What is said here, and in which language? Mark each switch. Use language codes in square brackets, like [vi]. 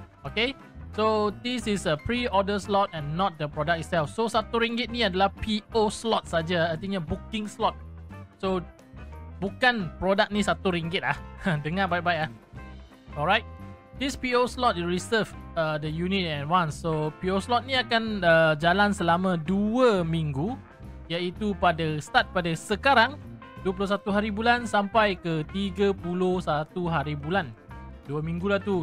[en] Okay, so this is a pre-order slot and not the product itself. [ms] So RM1 ni adalah PO slot saja, artinya booking slot. So bukan produk ni RM1 lah. Dengar baik-baik lah. [en] Alright, this PO slot is reserved the unit in advance. [ms] So PO slot ni akan jalan selama 2 minggu, iaitu pada start pada sekarang 21 hari bulan sampai ke 31 hari bulan. 2 minggu lah tu.